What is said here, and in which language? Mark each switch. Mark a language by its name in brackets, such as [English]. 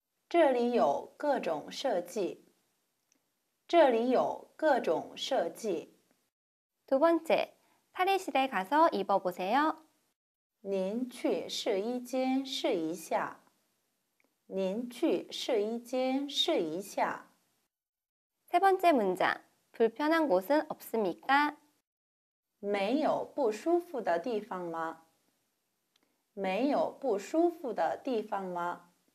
[Chinese] 这里有各种设计这里有各种设计 [Korean] 두번째탈의실에가서입어보세요 [Chinese] 您去试衣间试一下您去试衣间试一下 [Korean] 세번째문장불편한곳은없습니까 [Chinese] 没有不舒服的地方吗没有不舒服的地方吗